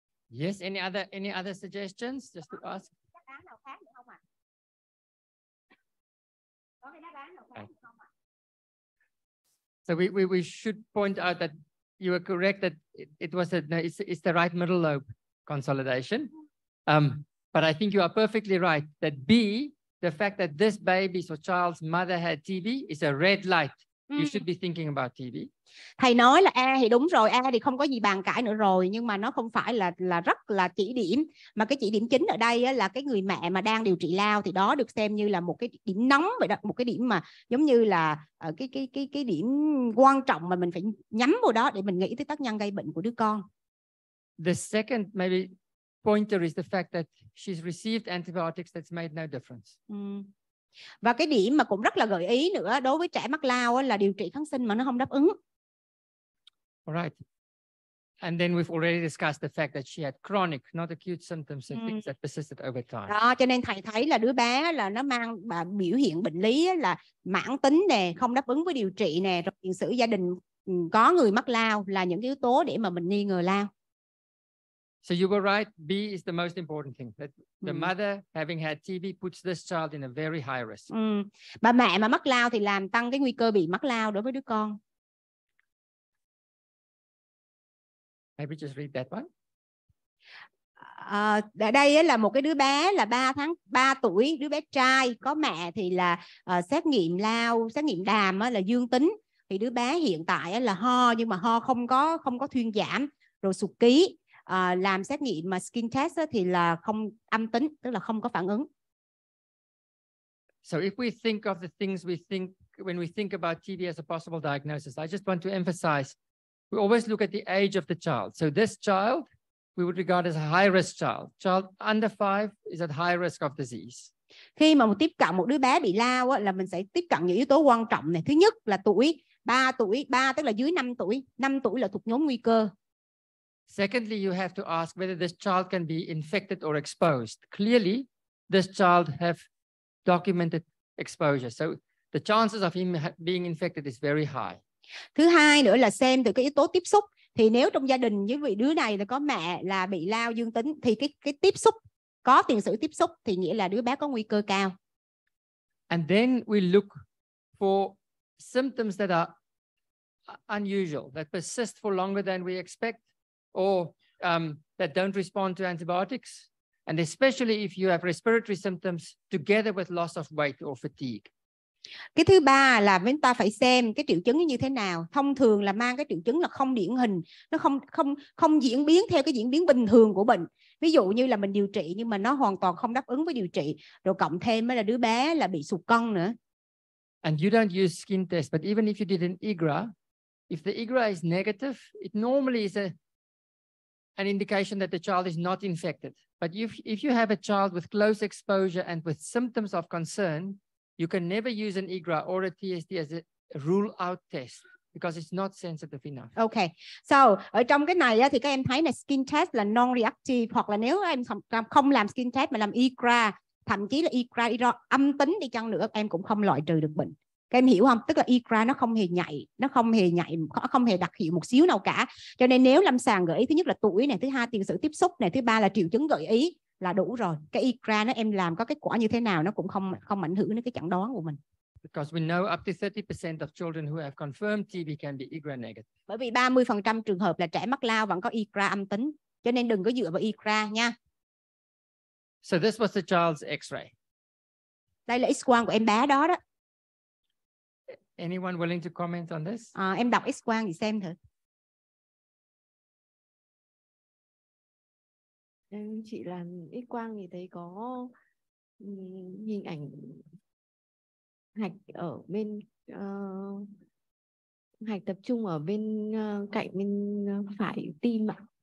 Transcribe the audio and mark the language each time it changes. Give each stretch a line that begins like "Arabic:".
English: Yes, any other suggestions just to ask?
Vietnamese: Đáp án nào khác nữa không ạ? À? Có cái đáp án nào khác nữa không ạ? À?
English: So we should point out that you were correct that it's the right middle lobe consolidation. But I think you are perfectly right that B, the fact that this baby's or child's mother had TB is a red light. You should be thinking about TB.
Vietnamese: Thầy nói là A thì đúng rồi, A thì không có gì bàn cãi nữa rồi, nhưng mà nó không phải là rất là chỉ điểm. Mà cái chỉ điểm chính ở đây là cái người mẹ mà đang điều trị lao thì đó được xem như là một cái điểm nóng vậy đó, một cái điểm mà giống như là cái điểm quan trọng mà mình phải nhắm vào đó để mình nghĩ tới tác nhân gây bệnh của đứa con.
English: The second maybe pointer is the fact that she's received antibiotics that's made no difference.
Vietnamese: Và cái điểm mà cũng rất là gợi ý nữa đối với trẻ mắc lao là điều trị kháng sinh mà nó không đáp ứng.
English: All right. And then we've already discussed the fact that she had chronic, not acute symptoms and things that persisted over time.
Vietnamese: Đó, cho nên thầy thấy là đứa bé là nó mang biểu hiện bệnh lý là mãn tính nè, không đáp ứng với điều trị nè, rồi tiền sử gia đình có người mắc lao là những yếu tố để mà mình nghi ngờ lao.
English: So you were right, B is the most important thing. That the mother having had TB puts this child in a very high risk.
Vietnamese: Bà mẹ mà mắc lao thì làm tăng cái nguy cơ bị mắc lao đối với đứa con.
English: Maybe just read that one.
Vietnamese: Ở đây là một cái đứa bé là 3 tháng 3 tuổi, đứa bé trai có mẹ thì là xét nghiệm lao, xét nghiệm đàm là dương tính. Thì đứa bé hiện tại là ho, nhưng mà ho không có thuyên giảm, rồi sụt ký. Làm xét nghiệm mà skin test thì là không âm tính, tức là không có phản ứng.
English: So if we think of the things we think when we think about TB as a possible diagnosis, I just want to emphasize we always look at the age of the child. So this child we would regard as a high risk child. Child under 5 is at high risk of disease.
Vietnamese: Khi mà tiếp cận một đứa bé bị lao là mình sẽ tiếp cận những yếu tố quan trọng này. Thứ nhất là tuổi, 3 tuổi, 3 tức là dưới 5 tuổi. 5 tuổi là thuộc nhóm nguy cơ.
English: Secondly, you have to ask whether this child can be infected or exposed. Clearly, this child have documented exposure. So the chances of him being infected is very high.
Vietnamese: Thứ hai nữa là xem từ cái yếu tố tiếp xúc. Thì nếu trong gia đình với vị đứa này là có mẹ là bị lao dương tính, thì cái tiếp xúc, có tiền sử tiếp xúc, thì nghĩa là đứa bé có nguy cơ cao.
English: And then we look for symptoms that are unusual, that persist for longer than we expect. Or that don't respond to antibiotics, and especially if you have respiratory symptoms together with loss of weight or fatigue.
Vietnamese: Cái thứ ba là chúng ta phải xem cái triệu chứng như thế nào. Thông thường là mang cái triệu chứng là không điển hình, nó không diễn biến theo cái diễn biến bình thường của bệnh. Ví dụ như là mình điều trị nhưng mà nó hoàn toàn không đáp ứng với điều trị, rồi cộng thêm là đứa bé là bị sụt cân nữa.
English: And you don't use skin test, but even if you did an IGRA, if the IGRA is negative, it normally is an indication that the child is not infected. But if you have a child with close exposure and with symptoms of concern, you can never use an IGRA or a TSD as a rule out test because it's not sensitive enough. Okay.
Vietnamese: So, ở trong cái này thì các em thấy là skin test là
English: non reactive,
Vietnamese: hoặc là nếu em không làm skin test mà làm IGRA, thậm chí là IGRA âm tính đi chăng nữa em cũng không loại trừ được bệnh. Các em hiểu không? Tức là IGRA nó không hề nhạy, nó không hề nhạy, không hề đặc hiệu một xíu nào cả. Cho nên nếu lâm sàng gợi ý, thứ nhất là tuổi này, thứ hai tiền sử tiếp xúc này, thứ ba là triệu chứng gợi ý là đủ rồi. Cái IGRA nó em làm có kết quả như thế nào nó cũng không ảnh hưởng đến cái chẩn đoán của mình.
English: Because we know up to 30% of children who have confirmed TB can be IGRA negative.
Vietnamese: Bởi vì 30% trường hợp là trẻ mắc lao vẫn có IGRA âm tính. Cho nên đừng có dựa vào IGRA nha.
English: So this was the child's X-ray.
Vietnamese: Đây là X-quang của em bé đó đó.
English: Anyone willing to comment on this?
Vietnamese: Em đọc X-quang thì xem thử. Em chị làm X-quang thì thấy có hình ảnh hạch ở bên hạch tập trung ở bên cạnh bên phải tim ạ.